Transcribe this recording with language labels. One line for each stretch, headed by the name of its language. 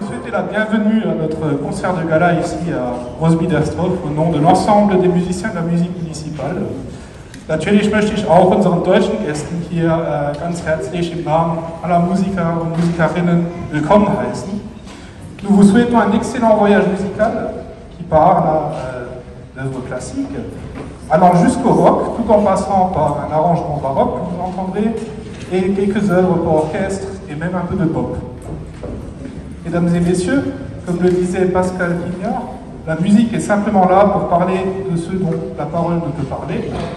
French: La bienvenue à notre concert de gala ici à Rosbiderstorf au nom de l'ensemble des musiciens de la musique municipale.
German: Natürlich möchte ich auch unseren deutschen Gästen hier ganz herzlich im Namen aller Musiker und Musikerinnen willkommen heißen.
French: Nous vous souhaitons un excellent voyage musical qui part à l'œuvre classique, allant jusqu'au rock, tout en passant par un arrangement baroque, vous entendrez, et quelques œuvres pour orchestre et même un peu de pop. Mesdames et messieurs, comme le disait Pascal Vignard, la musique est simplement là pour parler de ce dont la parole ne peut parler.